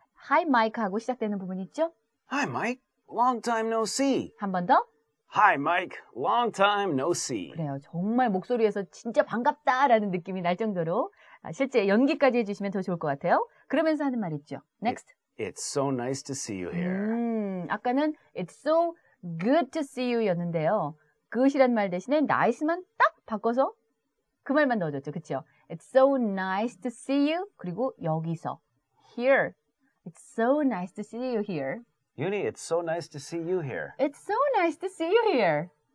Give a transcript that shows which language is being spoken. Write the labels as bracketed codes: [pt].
[en] Hi, Mike [ko] 하고 시작되는 부분 있죠? [en] Hi, Mike. Long time no see. [ko] 한 번 더. [en] Hi, Mike. Long time no see. [ko] 그래요. 정말 목소리에서 진짜 반갑다라는 느낌이 날 정도로 실제 연기까지 해주시면 더 좋을 것 같아요. 그러면서 하는 말 있죠. Next. [en] It's so nice to see you here. [ko] 아까는 [en] It's so good to see you [ko] 였는데요. 그것이란 말 대신에 nice만 딱 바꿔서 그 말만 넣어줬죠. 그쵸? [en] It's so nice to see you. [ko] 그리고 여기서. [en] Here. It's so nice to see you here. Yuni, it's so nice to see you here. It's so nice to see you here.